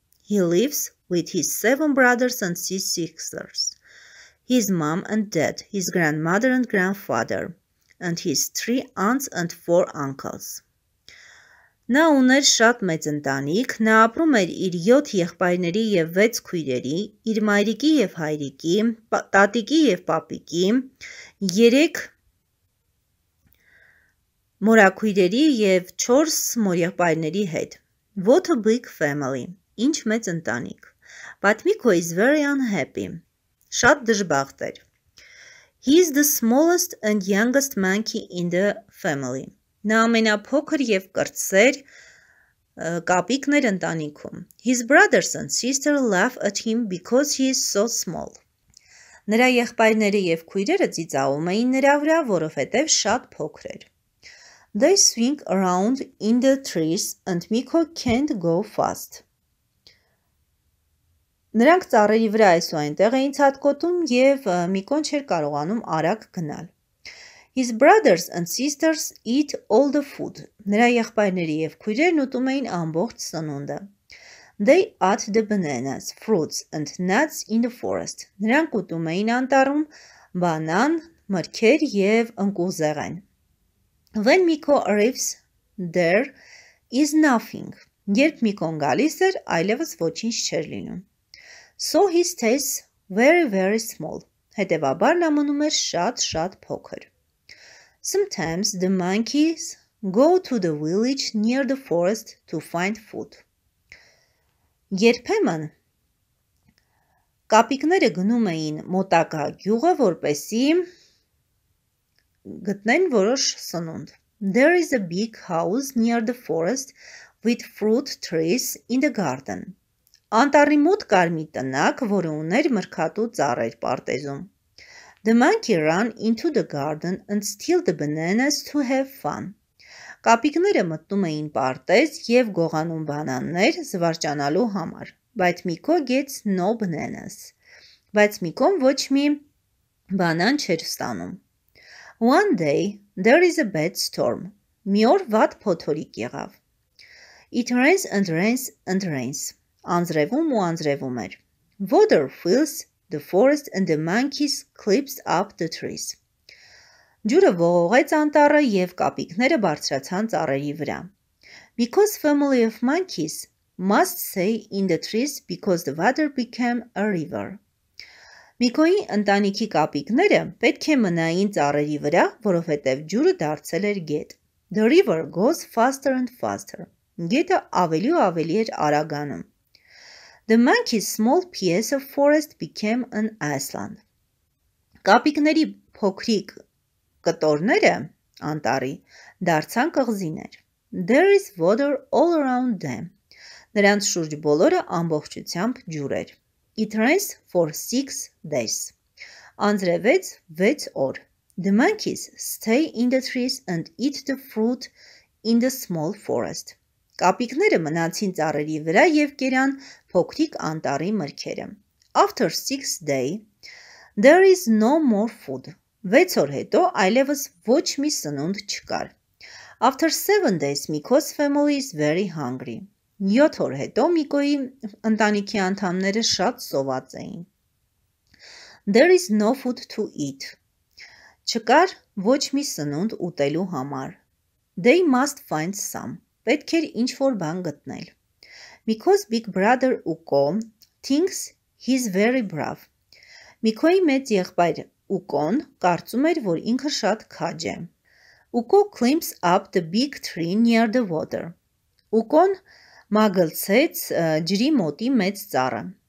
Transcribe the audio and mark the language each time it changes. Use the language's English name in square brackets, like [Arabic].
[English] He lives with his 7 brothers and 6 sisters, his mom and dad, his grandmother and grandfather, and his 3 aunts and 4 uncles. [Armenian] Նա ուներ շատ մեծ ընտանիք, նա ապրում էր իր 7 եղբայրների եւ 6 քույրերի, իր մայրիկի եւ հայրիկի, տատիկի եւ պապիկի, 3 մորաքույրերի եւ 4 մորեղբայրների հետ. [English] What a big family. [Armenian] Ինչ մեծ ընտանիք. [English] But Miko is very unhappy. [Armenian] Շատ դժբախտ էր. [English] He is the smallest and youngest monkey in the family. [Armenian] Նա ամենափոքր եւ կրտսեր կապիկն էր ընտանիքում. [English] His brothers and sister laugh at him because he is so small. [Armenian] Նրա եղբայրները եւ քույրերը ծիծաղում էին նրա վրա, որովհետեւ շատ փոքր էր. [English] They swing around in the trees and Miko can't go fast. [Armenian] Նրանք ծառերի վրա այս ու այնտեղ էին ցատկոտում եւ Միկոն չէր կարողանում արագ գնալ. [English] His brothers and sisters eat all the food. [Armenian] Նրա եղբայրները եւ քույրերն ուտում էին ամբողջ սնունդը. [English] They eat the bananas, fruits and nuts in the forest. [Armenian] Նրանք ուտում էին անտառում բանան, մրգեր եւ ընկուզեղեն. [English] When Miko arrives, there is nothing. [Armenian] Երբ Միկոն գալիս էր, այլևս ոչինչ չէր լինում. [English] So he stays very very small. [Armenian] Հետևաբար նա մնում էր շատ փոքր. [English] Sometimes the monkeys go to the village near the forest to find food. [Armenian] Երբեմն կապիկները գնում էին մոտակա գյուղը, որպեսզի գտնեն որոշ սնունդ. [English] There is a big house near the forest with fruit trees in the garden. [Armenian] Անտառի մոտ կար մի տնակ, որը ուներ մրգատու ծառեր պարտեզում. [English] The monkey ran into the garden and steal the bananas to have fun. [Armenian] Կապիկները մտնում էին պարտեզ եւ գողանում բանաններ զվարճանալու համար. [English] But Miko gets no bananas. [Armenian] Բայց Միկոն ոչ մի բանան չէր ստանում. [English] One day there is a bad storm. [Armenian] Մի օր վատ փոթորիկ եղավ. [English] It rains and rains and rains. [Armenian] Անձրևում ու անձրևում էր. [English] Water fills the forest and the monkeys clips up the trees. [Armenian] Ջուրը ողողեց անտառը եւ կապիկները բարձրացան ծառերի վրա. [English] Because family of monkeys must stay in the trees because the water became a river. [Armenian] Միկոյի ընտանիքի կապիկները պետք է մնային ծառերի վրա, որովհետեւ ջուրը դարձել էր գետ. [English] The river goes faster and faster. [Armenian] Գետը ավելի ու ավելի էր արագանում. [English] The monkey's small piece of forest became an island. [Armenian] Կապիկների փոքրիկ կտորները անտարի դարձան կղզիներ. [English] There is water all around them. [Armenian] Նրանց շուրջ բոլորը ամբողջությամբ ջուր էր. [English] It rains for 6 days. [Armenian] Անձրևեց 6 օր. [English] The monkeys stay in the trees and eat the fruit in the small forest. [Armenian] Կապիկները մնացին ծառերի վրա եւ կերան փոքրիկ անտարի մրգերը. [English] After 6 day there is no more food. [Armenian] 6 օր հետո այլևս ոչ մի սնունդ չկար. [English] After 7 days Miko's family is very hungry. [Armenian] 7 օր հետո Միկոյի ընտանիքի անդամները շատ սոված էին. [English] There is no food to eat. [Armenian] Չկար ոչ մի սնունդ ուտելու համար. [English] They must find some. [Armenian] Պետք էր ինչ-որ բան գտնել. [English] Miko's big brother Uko thinks he's very brave. [Armenian] Miko-ի մեծ եղբայր Ուկոն կարծում էր, որ ինքը շատ քաջ է. [English] Uko climbs up the big tree near the water. [Armenian] Ուկոն մագլցեց ջրի մոտի մեծ ծառը.